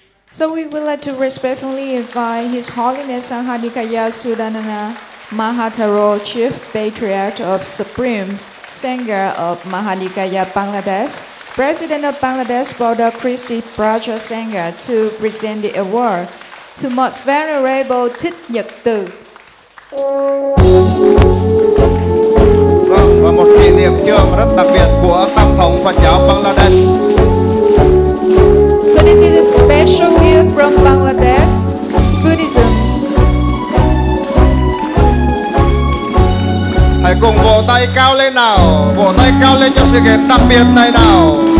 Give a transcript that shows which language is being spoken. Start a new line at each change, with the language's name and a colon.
English: So we would like to respectfully invite His Holiness Sanhanakaya Sudana Mahathero, Chief Patriarch of Supreme Sangha of Mahanikaya Bangladesh, President of Bangladesh Bodho Christi Prachar Sangha, to present the award to Most Venerable Thích Nhật Từ.
Vietnamese: Và một kỷ niệm trường rất đặc biệt của Tăng Thống Phật Giáo Bangladesh.
English: So this is a special gift from Bangladesh Buddhism.
Vietnamese: Hãy cùng vỗ tay cao lên nào, vỗ tay cao lên cho sự kiện đặc biệt này nào.